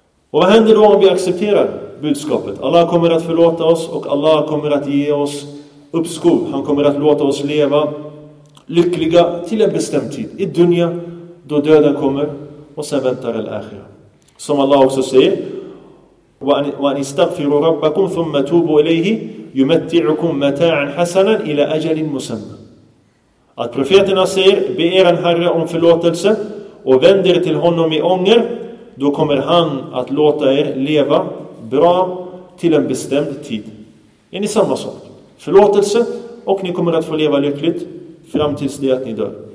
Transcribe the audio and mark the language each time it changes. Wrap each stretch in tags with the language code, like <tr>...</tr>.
<sv>Och vad händer då om vi accepterar budskapet? Allah kommer att förlåta oss och Allah kommer att ge oss uppskov. Han kommer att låta oss leva lyckliga till en bestämd tid. I dunya, då döden kommer och sen väntar al-akhirah. Som Allah också säger,</sv> <ar>وَأَنِ اسْتَغْفِرُوا رَبَّكُمْ ثُمَّ تُوبُوا إِلَيْهِ يُمَتِّعُكُمْ مَتَاعًا حَسَنًا إِلَى أَجَلٍ مُسَمًّى.</ar> <sv>Att profeterna säger, be er en herre om förlåtelse och vänder till honom i ånger, då kommer han att låta er leva bra till en bestämd tid. Är ni samma sak? Förlåtelse och ni kommer att få leva lyckligt fram tills det att ni dör.</sv>